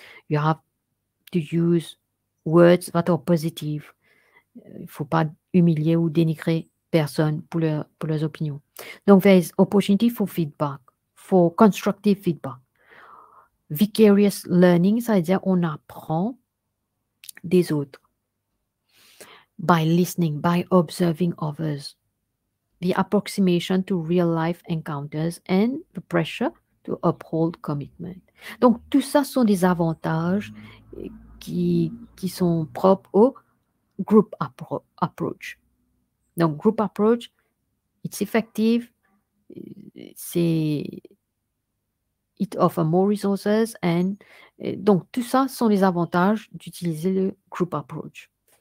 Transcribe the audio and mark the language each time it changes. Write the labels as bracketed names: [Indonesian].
[English] You have to use words that are positive. [French] Il ne faut pas humilier ou dénigrer personne pour leurs opinions. [English] Donc, there is opportunity for feedback, for constructive feedback. Vicarious learning, [French] ça veut dire on apprend des autres. [English] By listening, by observing others. The approximation to real life encounters and the pressure to uphold commitment. [French] Donc, tout ça sont des avantages qui sont propres au group approach. [English] Donc, group approach, it's effective, it offers more resources, and [French] donc, tout ça sont les avantages d'utiliser le [English] group approach.